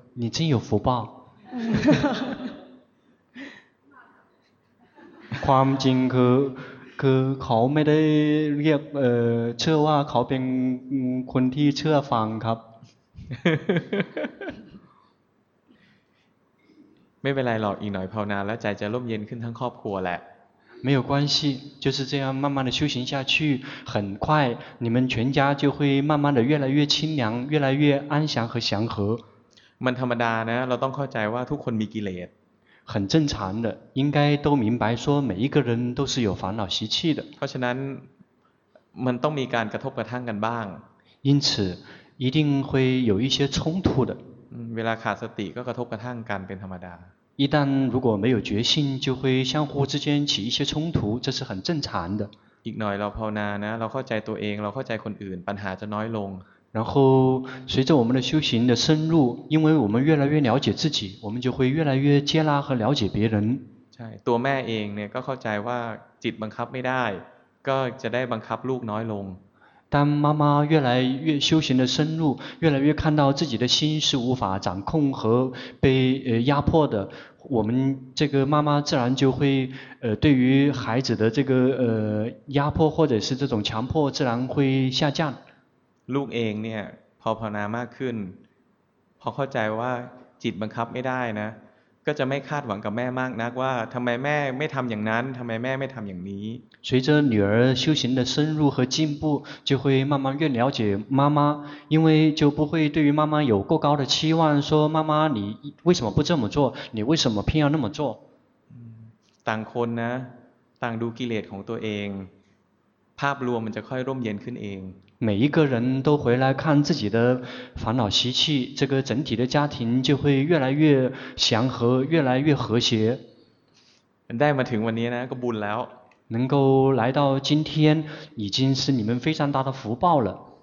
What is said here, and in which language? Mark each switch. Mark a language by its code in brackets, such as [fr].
[zh] 你真有福报 [th] ความจริงคือเขาไม่ได้เรียกเชื่อว่าเขาเป็นคนที่เชื่อฟังครับ ไม่เป็นไรหรอกอีกหน่อยภาวนาแล้วใจจะร่มเย็นขึ้นทั้งครอบครัวแหละ [zh] 没有关系就是这样慢慢的修行下去很快你们全家就会慢慢的越来越清凉越来越安详和祥和 [th] มันธรรมดานะเราต้องเข้าใจว่าทุกคนมีกิเลส [zh] 很正常的应该都明白说每一个人都是有烦恼习气的 [th] เพราะฉะนั้นมันต้องมีการกระทบกระทั่งกันบ้าง [zh] 因此一定会有一些冲突的 [th] เวลาขาดสติก็กระทบกระทั่งกันเป็นธรรมดา [zh] 一旦如果没有决心就会相互之间起一些冲突这是很正常的 [th] อีกหน่อยเราภาวนานะเราเข้าใจตัวเองเราเข้าใจคนอื่นปัญหาจะน้อยลง [zh] 然后随着我们的修行的深入因为我们越来越了解自己我们就会越来越接纳和了解别人 [th] ใช่ตัวแม่เองเนี่ยก็เข้าใจว่าจิตบังคับไม่ได้ก็จะได้บังคับลูกน้อยลง [zh] 当妈妈越来越修行的深入越来越看到自己的心是无法掌控和被压迫的我们这个妈妈自然就会对于孩子的这个压迫或者是这种强迫自然会下降 [th] ลูกเองเนี่ยพอภาวนามากขึ้นพอเข้าใจว่าจิตบังคับไม่ได้นะก็จะไม่คาดหวังกับแม่มากนักว่าทำไมแม่ไม่ทำอย่างนั้นทำไมแม่ไม่ทำอย่างนี้ [zh] 随着女儿修行的深入和进步就会慢慢越了解妈妈因为就不会对于妈妈有过高的期望说妈妈你为什么不这么做你为什么偏要那么做 [th] ต่างคนนะต่างดูกิเลสของตัวเองภาพรวมมันจะค่อยร่มเย็นขึ้นเอง [zh] 每一个人都回来看自己的烦恼习气，这个整体的家庭就会越来越祥和，越来越和谐。 [th] ได้มาถึงวันนี้นะก็บุญแล้ว [zh] 能够来到今天，已经是你们非常大的福报了。